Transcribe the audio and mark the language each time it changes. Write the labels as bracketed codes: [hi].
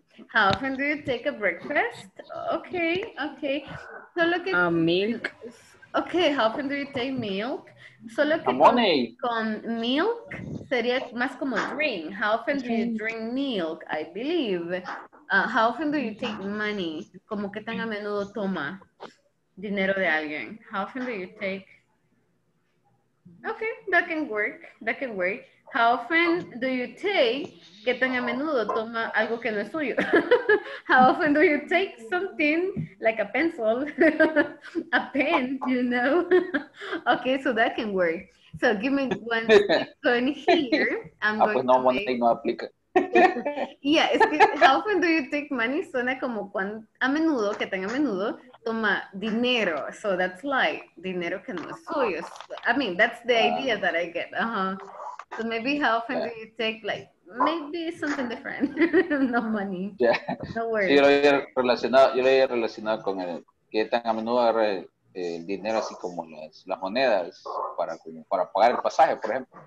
[en] How often do you take a breakfast? Okay, okay. So look at milk. Okay, how often do you take milk? So look at morning. [es] Con milk, sería más como drink. [en] How often do you drink milk, I believe? How often do you take money? [es] Como que tan a menudo toma dinero de alguien. [en] How often do you take? Okay, that can work. That can work. How often do you take, [es] que tan a menudo toma algo que no es suyo? [en] How often do you take something like a pencil, a pen, you know? Okay, so that can work. So give me one second here. I'm going to make... Yeah, [es] es que [en] how often do you take money? [es] Suena como cuan, a menudo, que tan a menudo, toma dinero. [en] So that's like [es] dinero que no es suyo. [en] I mean, that's the idea that I get. Uh-huh. So maybe how often do you take, like, maybe something different, no money, no worries. [es] Sí, yo lo había relacionado con el, que tan a menudo agarra el dinero así como las monedas para pagar el pasaje, por ejemplo.